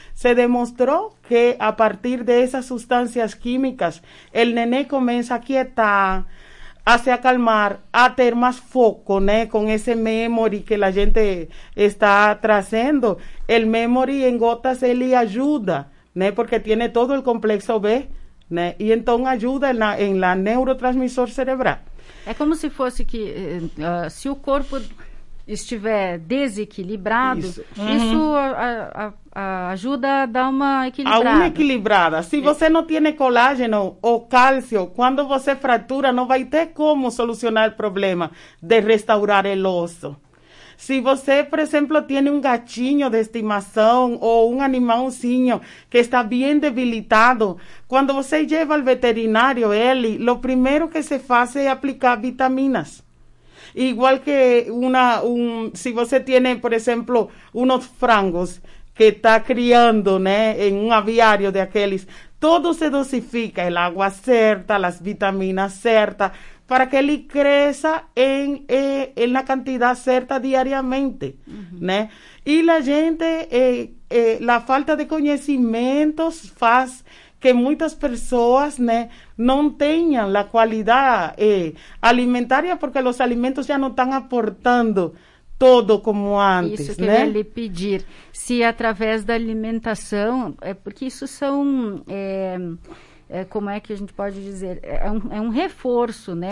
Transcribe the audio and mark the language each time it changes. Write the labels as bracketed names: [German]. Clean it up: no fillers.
[Spanish] Se demostró que a partir de esas sustancias químicas, el nené comienza a quietar, hace acalmar, a tener más foco, ¿no? Con ese memory que la gente está trazando. El memory en gotas, él ayuda, ¿no? Porque tiene todo el complejo B, ¿no? Y entonces ayuda en la neurotransmisor cerebral. Es como si fuese que, si el cuerpo [Portuguese] estiver desequilibrado, isso ajuda a dar uma equilibrada. A uma equilibrada. Se você não tem colágeno ou cálcio, quando você fratura, não vai ter como solucionar o problema de restaurar o osso. Se você, por exemplo, tem um gatinho de estimação ou um animalzinho que está bem debilitado, quando você leva ao veterinário, ele, o primeiro que se faz é aplicar vitaminas. [Spanish] Igual que si [Portuguese] você [Spanish] tiene, por ejemplo, unos frangos que está criando, ¿no? En un aviario de aquellos, todo se dosifica, el agua [Portuguese] certa, [Spanish] las vitaminas certas, para que él crezca en la cantidad certa diariamente, ¿no? Y la gente, la falta de conocimientos [Portuguese] faz que muitas pessoas, né, não tenham a qualidade alimentária, porque os alimentos já não estão aportando todo como antes. Isso que, né? Eu ia lhe pedir, se através da alimentação, porque isso são, como é que a gente pode dizer, é um reforço, né?